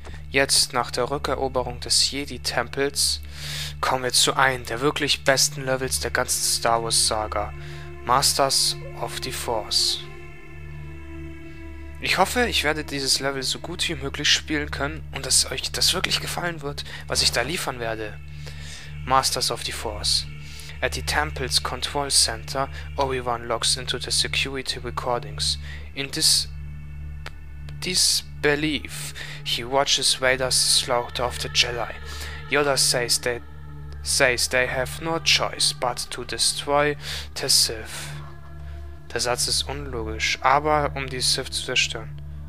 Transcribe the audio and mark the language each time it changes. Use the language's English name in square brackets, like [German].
[German] Jetzt, nach der Rückeroberung des Jedi-Tempels, kommen wir zu einem der wirklich besten Levels der ganzen Star Wars-Saga. Masters of the Force. Ich hoffe, ich werde dieses Level so gut wie möglich spielen können und dass euch das wirklich gefallen wird, was ich da liefern werde. [English] Masters of the Force. At the Temple's Control Center, Obi-Wan logs into the security recordings. In disbelief, he watches Vader's slaughter of the Jedi. Yoda says they have no choice but to destroy the Sith. [German] Der Satz ist unlogisch, aber um die Sith zu zerstören.